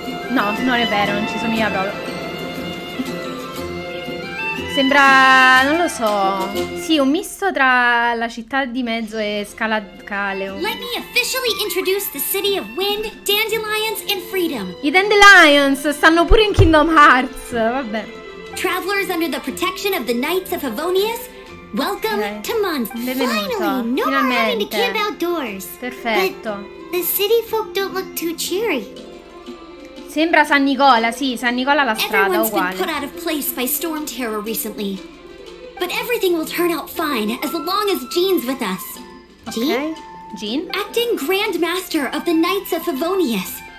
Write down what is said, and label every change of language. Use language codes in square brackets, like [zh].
[it] No, non è vero, non ci somiglia proprio. Sembra, non lo so. Sì, un misto tra la città di mezzo e Scala Caleo. [en] Let me officially introduce the city of wind, dandelions and freedom. [it] I dandelions stanno pure in Kingdom Hearts, vabbè. [en] Travelers under the protection of the Knights of Havonius, welcome to Mondstadt. [it] Benvenuto. [en] Finally, no more having to camp outdoors. [it] Perfetto. [en] The city folk don't look too cheery. [it] Sembra San Nicola, sì, San Nicola la strada uguale. [en] Everyone's been put out of place by storm terror recently. But everything will turn out fine as long as Jean's with us. [it] Jean? Jean? [en] Acting Grand Master of the Knights of Favonius.